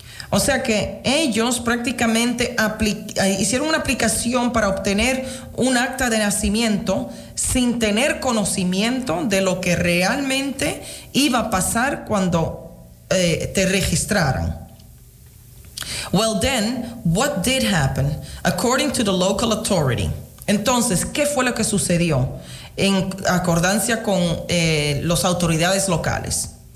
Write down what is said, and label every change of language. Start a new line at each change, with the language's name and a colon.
Spanish: O sea que ellos prácticamente hicieron una aplicación para obtener un acta de nacimiento sin tener conocimiento de lo que realmente iba a pasar cuando te registraran.
English: Well then, what did happen according to the local authority?
Spanish: Entonces, ¿qué fue lo que sucedió en acordancia con las autoridades locales?